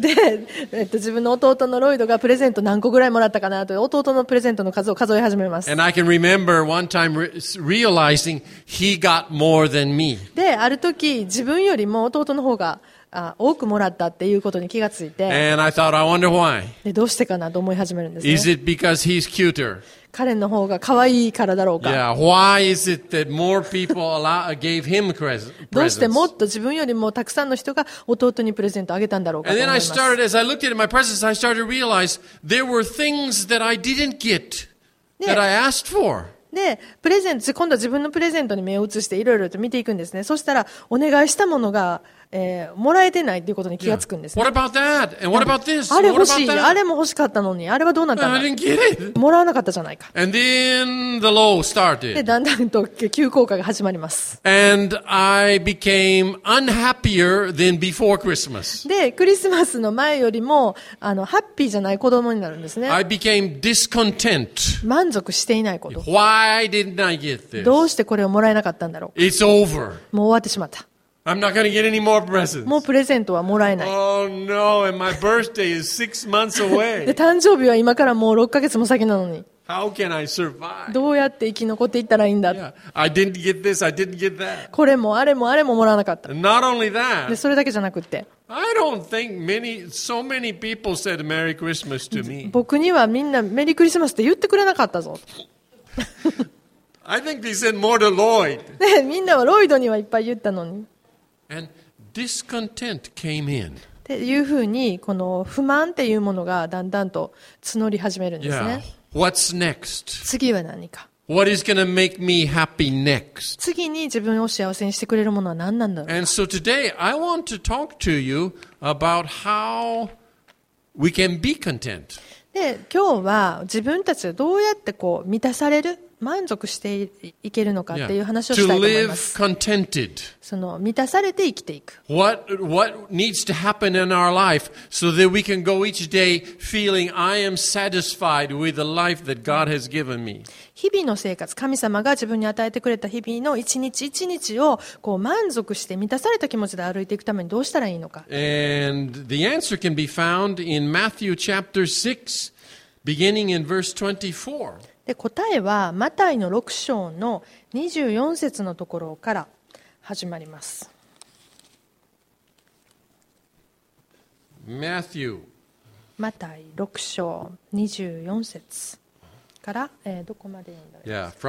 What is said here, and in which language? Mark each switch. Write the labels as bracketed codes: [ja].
[ja] で、自分の弟のロイドがプレゼント何個ぐらいもらったかなと弟のプレゼントの数を数え始めます。 [en] And I can remember one time realizing he got more than me. [ja] で、ある時自分よりも弟の方が多くもらったっていうことに気がついて [en] And I thought, I wonder why. [ja] でどうしてかなと思い始めるんですね [en] Is it because he's cuter? [ja] 彼の方が可愛いからだろうか [en] Yeah, why is it that more people gave him presents? [ja] どうしてもっと自分よりもたくさんの人が弟にプレゼントあげたんだろうかと思います [en] And then I started, as I looked at my presents, I started to realize there were things that I didn't get that I asked for. [ja] で、プレゼント、今度は自分のプレゼントに目を移していろいろと見ていくんですね。そしたら、お願いしたものが、もらえてないということに気がつくんですね。 [en] What about that? And what about this? [ja] あれ欲しい。あれも欲しかったのに。あれはどうなったの？ [en] I didn't get it. [ja] もらわなかったじゃないか。 [en] And then the low started. [ja] で、だんだんと急降下が始まります。 [en] And I became unhappier than before Christmas. [ja] で、クリスマスの前よりも、ハッピーじゃない子供になるんですね。 [en] I became discontent. [ja] 満足していないこと。 [en] Why didn't I get this? [ja] どうしてこれをもらえなかったんだろう。 [en] It's over. [ja] もう終わってしまった。 [en] I'm not gonna get any more presents. [ja] もうプレゼントはもらえない。 [en] Oh no, and my birthday is six months away. [ja] で、誕生日は今からもう6ヶ月も先なのに。 [en] How can I survive? どうやって生き残っていったらいいんだ。 Yeah. I didn't get this, I didn't get that. [ja] これもあれもあれももらわなかった。 [en] Not only that. [ja] で、それだけじゃなくて。 [en] I don't think many, so many people said Merry Christmas to me. [ja] 僕にはみんなメリークリスマスって言ってくれなかったぞ。 [en] I think they said more to Lloyd. [ja] ね、みんなはロイドにはいっぱい言ったのに。 [en] And discontent came in. [ja] っていうふうにこの不満っていうものがだんだんと募り始めるんですね。 [en] Yeah. What's next? [ja] 次は何か。 [en] What is gonna make me happy next? [ja] 次に自分を幸せにしてくれるものは何なんだろうか。 [en] And so today I want to talk to you about how we can be content. [ja] で、今日は自分たちはどうやってこう満たされる満足していけるのかっていう話をしたいと思います。 [en] To live contented. [ja] その満たされて生きていく。 [en] What needs to happen in our life so that we can go each day feeling I am satisfied with the life that God has given me. [ja] 日々の生活、神様が自分に与えてくれた日々の一日一日をこう満足して満たされた気持ちで歩いていくためにどうしたらいいのか。 [en] And the answer can be found in Matthew chapter 6, beginning in verse 24. [ja] で答えはマタイの6章の24節のところから始まります。 [en] Matthew. [ja] マタイ6章24節から、どこまでになりますか。